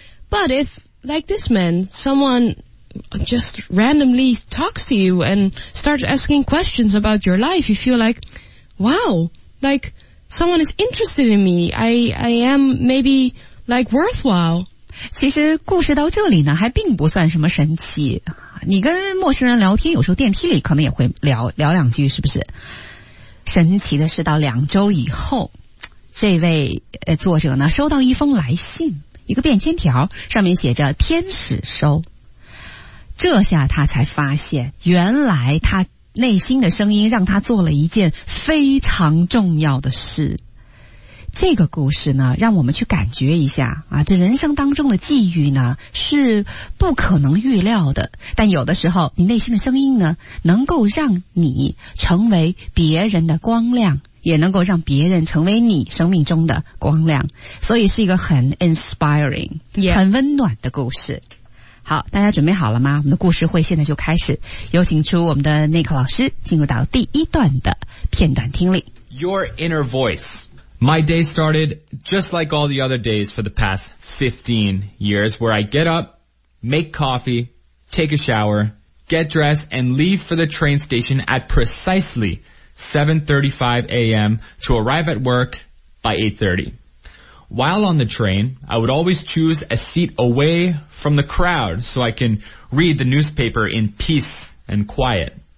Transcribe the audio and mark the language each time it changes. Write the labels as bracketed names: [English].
[English] But if, like this man, someone just randomly talks to you and starts asking questions about your life, you feel like, wow, likeSomeone is interested in me. I am maybe like worthwhile. [Chinese] 其实故事到这里呢还并不算什么神奇。你跟陌生人聊天有时候电梯里可能也会聊两句是不是。神奇的是到2周以后这位作者呢收到一封来信一个便签条上面写着天使收。这下他才发现原来他内心的声音让他做了一件非常重要的事。这个故事呢，让我们去感觉一下啊，这人生当中的际遇呢，是不可能预料的。但有的时候，你内心的声音呢，能够让你成为别人的光亮，也能够让别人成为你生命中的光亮。所以是一个很 inspiring、 yeah. 很温暖的故事。好，大家准备好了吗？我们的故事会现在就开始。有请出我们的 Nick 老师进入到第一段的片段听力。 [English] Your inner voice. My day started just like all the other days for the past 15 years, where I get up, make coffee, take a shower, get dressed, and leave for the train station at precisely 7:35 a.m. to arrive at work by 8:30. While on the train, I would always choose a seat away from the crowd so I can read the newspaper in peace and quiet.